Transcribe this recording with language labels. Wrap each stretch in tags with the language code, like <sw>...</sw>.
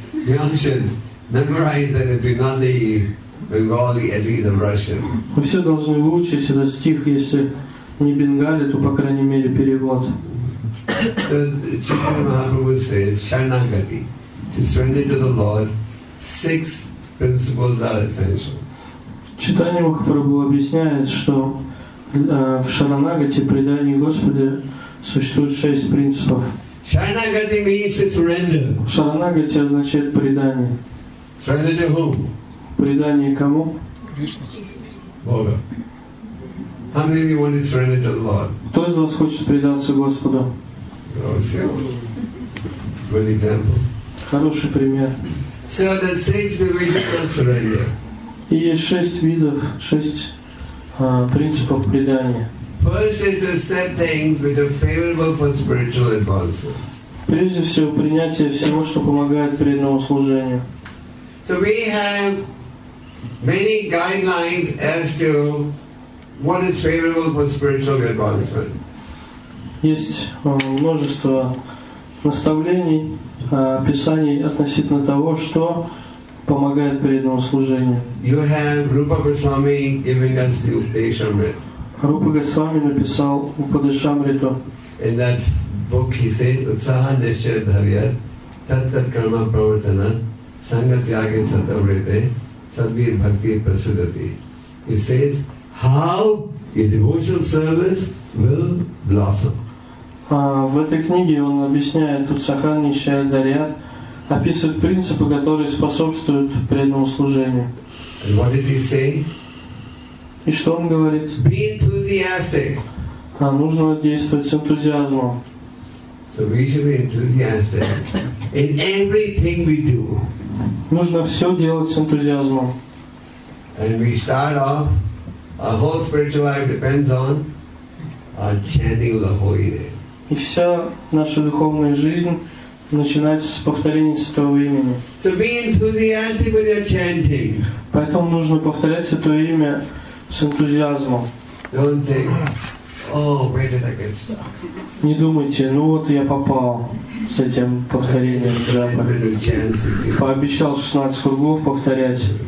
<en>You should memorize that if you're not the Bengali, at least the Russian.</en> <ru>Вы все должны выучить этот стих, если не бенгали, то по крайней мере перевод.</ru> <en>So Chaitanya Mahaprabhu says, Sharanagati, to surrender to the Lord, six principles are essential.</en> <ru>Chaitanya Mahaprabhu объясняет, что в Шаранагати, предании Господу, существует шесть принципов.</ru> <en>Sharanagati means to surrender.</en> <ru>Шаранагати означает предание.</ru> <en>Surrender to whom?</en> <ru>Предание кому? Бога.</ru> <en>How many of you want to surrender to the Lord?</en> <ru>Кто из вас хочет предаться Господу?</ru> <en>Good example.</en> <ru>Хороший пример.</ru> <en>So the six divisions of surrender.</en> <ru>И есть шесть видов, шесть принципов предания.</ru> <en>First is to accept things which are favorable for spiritual advancement.</en> <ru>Прежде всего принятие всего, что помогает преданному служению.</ru> <en>So we have many guidelines as to what is favorable for spiritual advancement.</en> <ru>Есть множество наставлений, описаний относительно того, что помогает преданному служению.</ru> <en>You have Rupa Goswami giving us the Upadeshamrita.</en> <ru>Rupa Goswami написал Упадешамриту.</ru> <en>In that book he said,</en> <sa>Utsaha Nishya Dharya, Tattat Karma Pravartana, Sangat Yage Satavrite, Sadvir Bhakti Prasudati.</sa> <en>He says, how a devotional service will blossom.</en> <ru>В этой книге он объясняет Утсахани Шайдарья, описывает принципы, которые способствуют преданному служению.</ru> <en>And what did he say?</en> <ru>И что он говорит?</ru> <en>Be enthusiastic.</en> <ru>Нужно действовать с энтузиазмом.</ru> <en>So we should be enthusiastic in everything we do.</en> <ru>Нужно все делать с энтузиазмом.</ru> <en>And we start off, our whole spiritual life depends on our chanting the Holy Name.</en> <ru>И вся наша духовная жизнь начинается с повторения Святого Имени.</ru> <en>So be enthusiastic when you're chanting.</en> <ru>Поэтому нужно повторять Святое Имя с энтузиазмом.</ru> <en>Don't think, oh, where did I get stuck?</en> <ru>Не думайте, ну вот я попал с этим повторением джапа. Пообещал 16 кругов повторять.</ru>